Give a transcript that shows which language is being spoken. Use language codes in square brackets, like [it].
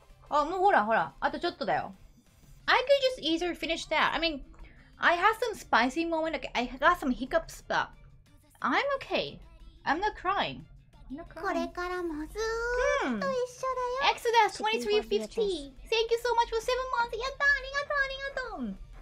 [ja] Oh, もうほらほら、あとちょっとだよ。 [en] I could just easier finish that. I mean, I have some spicy moment. Like, I got some hiccups, but I'm okay. I'm not crying. [ja] これからもずーっと一緒だよ。 [en] Exodus 2350. Thank you so much for 7 months. [ja] やったー、ありがとう、ありがとう。